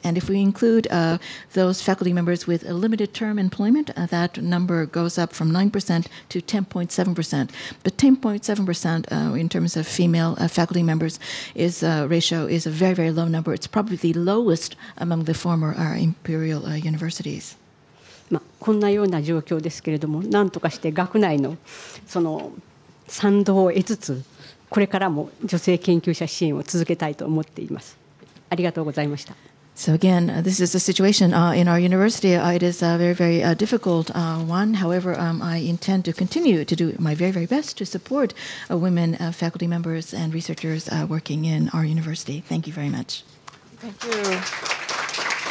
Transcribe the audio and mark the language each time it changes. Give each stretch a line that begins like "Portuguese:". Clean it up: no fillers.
English: And if we include those faculty members with a limited term employment, that number goes up from 9% to 10.7%. But 10.7% in terms of female faculty members is ratio is a very, very low number. It's probably the lowest among the former imperial universities.
Japanese: まあ、こんなような状況ですけれども、なんとかして学内のその賛同を得つつ、これからも女性研究者支援を続けたいと思っています。ありがとうございました。
English: So again, this is a situation in our university. It is a very, very difficult one. However, I intend to continue to do my very, very best to support women faculty members and researchers working in our university. Thank you very much. Thank you.